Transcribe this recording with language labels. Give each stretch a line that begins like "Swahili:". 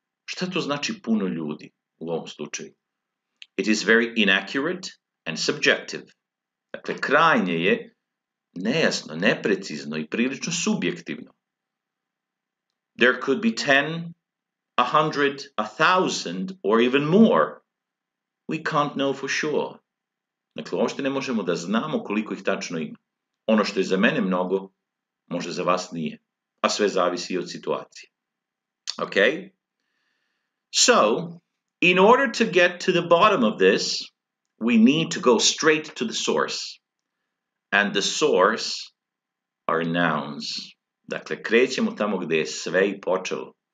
Serbian: Šta to znači puno ljudi u ovom slučaju?
English: It is very inaccurate and subjective.
Serbian: Dakle, krajnje je nejasno, neprecizno i prilično subjektivno.
English: There could be 10, 100, 1,000 or even more. We can't know for sure.
Serbian: Dakle, uopšte ne možemo da znamo koliko ih tačno ima. Ono što je za mene mnogo, možda za vas nije. A sve zavisi od situacije.
English: Okay? So, in order to get to the bottom of this, we need to go straight to the source. And the source are nouns.
Serbian: Dakle, krećemo tamo gde je sve i počelo.